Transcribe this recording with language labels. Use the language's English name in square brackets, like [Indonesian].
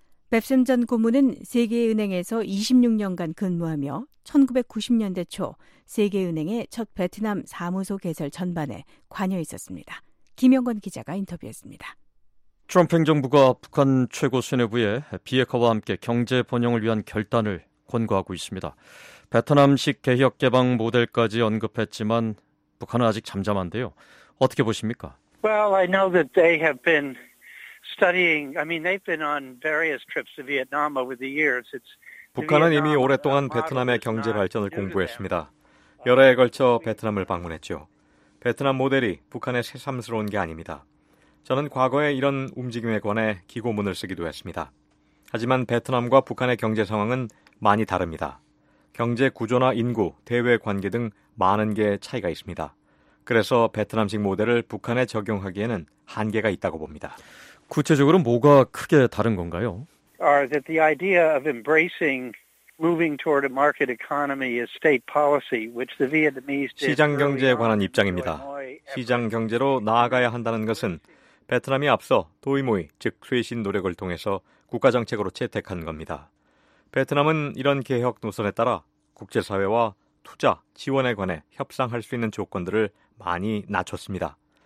[Korean] 뱁슨 전 고문은 세계은행에서 26년간 근무하며 1990년대 초 세계은행의 첫 베트남 사무소 개설 전반에 관여했었습니다. 김영건 기자가 인터뷰했습니다. 트럼프 행정부가 북한 최고 수뇌부에 비핵화와 함께 경제 번영을 위한 결단을 권고하고 있습니다. 베트남식 개혁 개방 모델까지 언급했지만 북한은 아직 잠잠한데요. 어떻게 보십니까? [English] Well, I know that they have been studying. I mean, they've been on various trips to Vietnam over the years. [Korean] 북한은 이미 오랫동안 베트남의 경제 발전을 공부했습니다. 여러 해 걸쳐 베트남을 방문했죠. 베트남 모델이 북한에 새삼스러운 게 아닙니다. 저는 과거에 이런 움직임에 관해 기고문을 쓰기도 했습니다. 하지만 베트남과 북한의 경제 상황은 많이 다릅니다. 경제 구조나 인구, 대외 관계 등 많은 게 차이가 있습니다. 그래서 베트남식 모델을 북한에 적용하기에는 한계가 있다고 봅니다. 구체적으로 뭐가 크게 다른 건가요? [English] That the idea of embracing moving toward a market economy is state policy, which the Vietnamese [Korean] 시장 경제에 관한 입장입니다. 시장 경제로 나아가야 한다는 것은 베트남이 앞서 도이모이, 즉 쇄신 노력을 통해서 국가정책으로 채택한 겁니다. 베트남은 이런 개혁 노선에 따라 국제사회와 투자, 지원에 관해 협상할 수 있는 조건들을 많이 낮췄습니다.